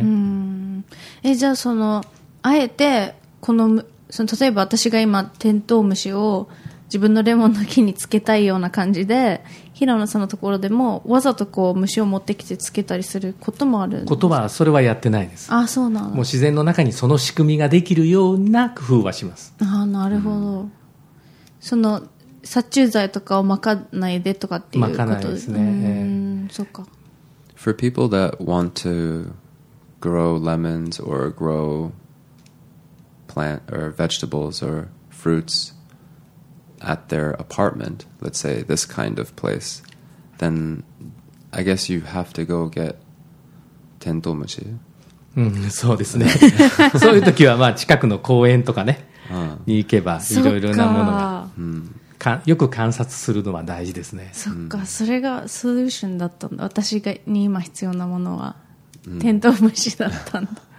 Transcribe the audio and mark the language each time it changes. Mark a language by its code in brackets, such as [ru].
[ja] うん、じゃあそのあえてこの、その例えば私が今テントウムシを自分のレモンの木につけたいような感じで、平野さんのところでもわざとこう虫を持ってきてつけたりすることもあるんですか？ことはそれはやってないです。あ、そうなの。もう自然の中にその仕組みができるような工夫はします。あ、なるほど、うん、その殺虫剤とかをまかないでとかっていうことで、まかないですね。そうか。 [en] For people that want to grow lemons or grow plant or vegetables or fruitsat their apartment, let's say this kind of place, then I guess you have to go get テントウムシ。 [ja] うん、そうですね。そういう時はまあ近くの公園とかね、に行けばいろいろなものが、よく観察するのは大事ですね。そっか、それがソリューションだったんだ。私に今必要なものはテントウムシだったんだ。